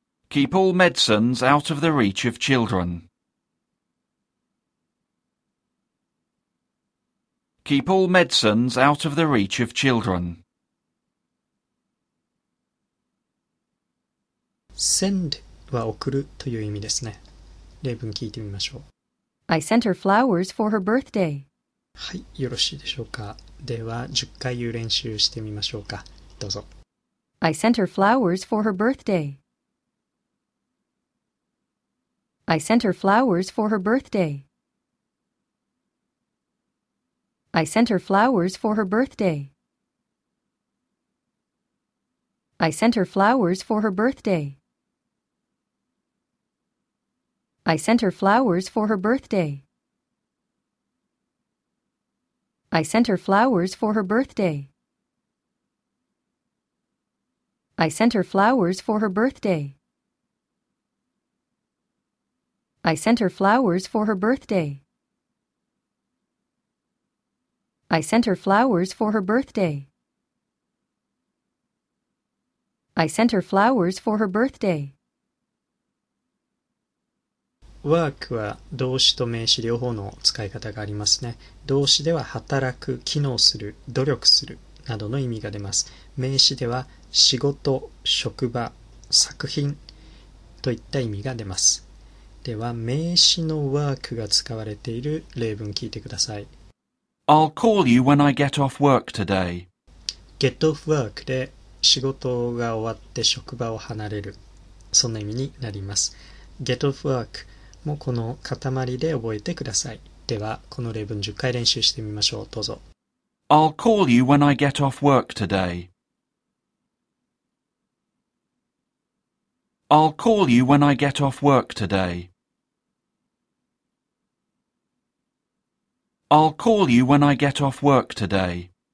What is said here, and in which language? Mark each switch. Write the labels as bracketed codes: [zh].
[en] Keep all medicines out of the reach of children. Keep all medicines out of the reach of children. [ja] 'Send' は送るという意味ですね。例文聞いてみましょう。 [en] I sent her flowers for her birthday. [ja] はい、よろしいでしょうか。では10回言う練習してみましょうか。どうぞ。 [en] I sent her flowers for her birthday. I sent her flowers for her birthday. I sent her flowers for her birthday. I sent her flowers for her birthday. I sent her flowers for her birthday. I sent her flowers for her birthday. I sent her flowers for her birthday. I sent her flowers for her birthday. I sent her flowers for her birthday. I sent her flowers for her birthday. [ja] Work は動詞と名詞両方の使い方がありますね。動詞では働く、機能する、努力するなどの意味が出ます。名詞では仕事、職場、作品といった意味が出ます。では名詞の work が使われている例文聞いてください。 [en] I'll call you when I get off work today. Get off work [ja] で仕事が終わって職場を離れる。そんな意味になります。 [en] Get off work [ja] もこの塊で覚えてください。ではこの例文10回練習してみましょう。どうぞ。 [en] I'll call you when I get off work today. I'll call you when I get off work today. I'll call you when I get off work today.